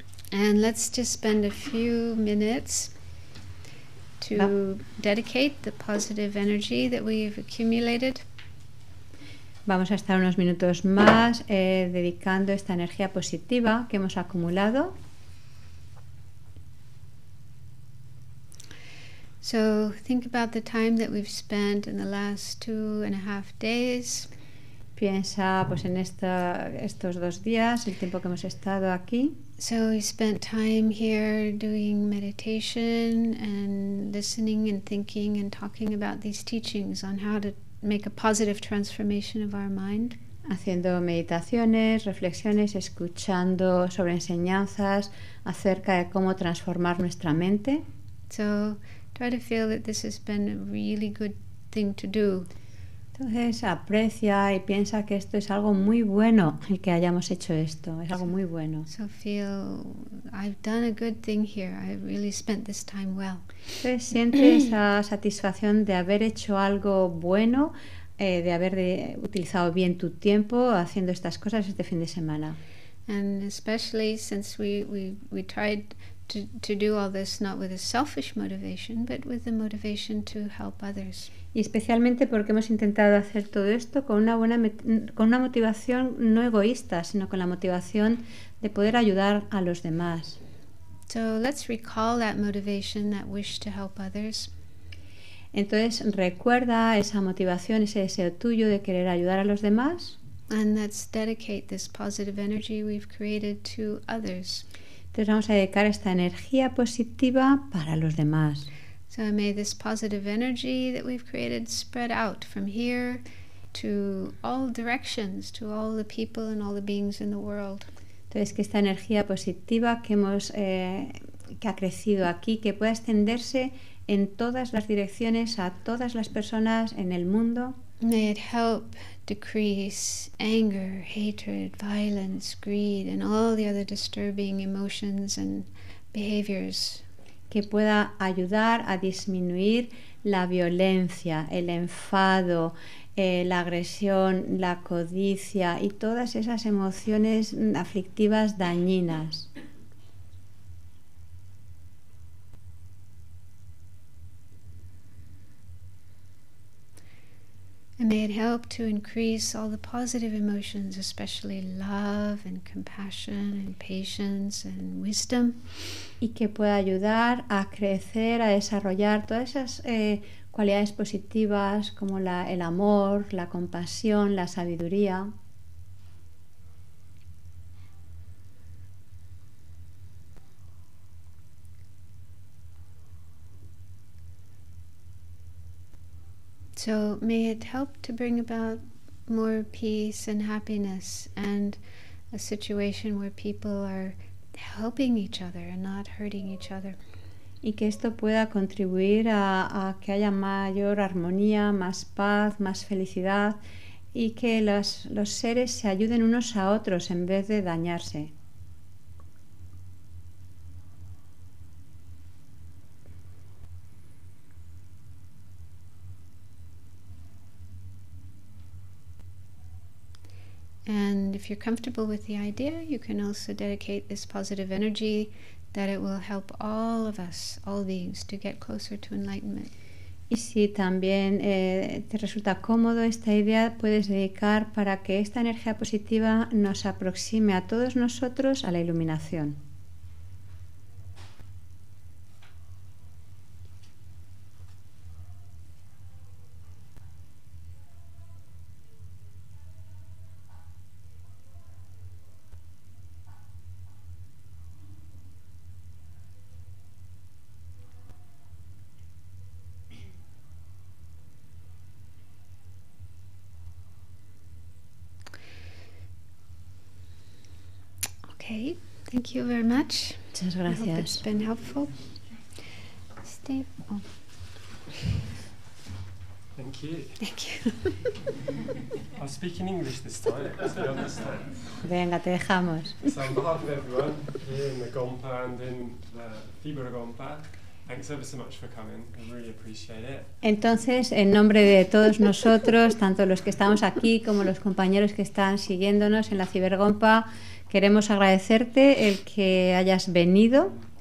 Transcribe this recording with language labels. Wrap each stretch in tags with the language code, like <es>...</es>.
<en>And let's just spend a few minutes to dedicate the positive energy that we've accumulated.</en> <es>Vamos a estar unos minutos más dedicando esta energía positiva que hemos acumulado.</es> <en>So think about the time that we've spent in the last 2.5 days.</en> <es>Piensa pues en estos dos días, el tiempo que hemos estado aquí.</es> <en>So we spent time here doing meditation and listening and thinking and talking about these teachings on how to make a positive transformation of our mind.</en> <es>Haciendo meditaciones, reflexiones, escuchando sobre enseñanzas acerca de cómo transformar nuestra mente.</es> <en>So try to feel that this has been a really good thing to do.</en> <es>Entonces aprecia y piensa que esto es algo muy bueno, el que hayamos hecho esto, es algo muy bueno.</es> <en>So feel, I've done a good thing here, I've really spent this time well.</en> <es>Entonces siente esa satisfacción de haber hecho algo bueno, de haber utilizado bien tu tiempo haciendo estas cosas este fin de semana.</es> <en>And especially since we tried to do all this not with a selfish motivation, but with the motivation to help others.</en> <es>Y especialmente porque hemos intentado hacer todo esto con una motivación no egoísta, sino con la motivación de poder ayudar a los demás.</es> <en>So let's recall that motivation, that wish to help others.</en> <es>Entonces recuerda esa motivación, ese deseo tuyo de querer ayudar a los demás.</es> <en>And let's dedicate this positive energy we've created to others.</en> <es>Entonces vamos a dedicar esta energía positiva para los demás.</es> <en>So may this positive energy that we've created spread out from here to all directions, to all the people and all the beings in the world.</en> <es>Entonces que esta energía positiva que hemos que ha crecido aquí, que pueda extenderse en todas las direcciones a todas las personas en el mundo.</es> <en>May it help decrease anger, hatred, violence, greed, and all the other disturbing emotions and behaviors.</en> <es>Que pueda ayudar a disminuir la violencia, el enfado, la agresión, la codicia y todas esas emociones aflictivas dañinas.</es> <en>And may it help to increase all the positive emotions, especially love and compassion and patience and wisdom.</en> <es>Y que pueda ayudar a crecer, a desarrollar todas esas cualidades positivas como el amor, la compasión, la sabiduría.</es> <en>So may it help to bring about more peace and happiness and a situation where people are helping each other and not hurting each other.</en> <es>Y que esto pueda contribuir a que haya mayor armonía, más paz, más felicidad y que los seres se ayuden unos a otros en vez de dañarse.</es> <en>And if you're comfortable with the idea, you can also dedicate this positive energy that it will help all of us, all beings, to get closer to enlightenment.</en> <es>Y si también te resulta cómodo esta idea, puedes dedicar para que esta energía positiva nos aproxime a todos nosotros a la iluminación.</es> <en>Okay, thank you very much.</en> <es>Muchas gracias.</es> <en>I hope it's been helpful. Steve. Oh. Thank you. Thank you. I'll speak in English this time, so you understand.</en> <es>Venga, te dejamos.</es> <en>So on behalf of everyone here in the Gompa and in the Fibra Gompa, thanks ever so much for coming. I really appreciate it.</en> <es>Entonces, en nombre de todos nosotros, tanto los que estamos aquí como los compañeros que están siguiéndonos en la Cibergompa, queremos agradecerte el que hayas venido.</es>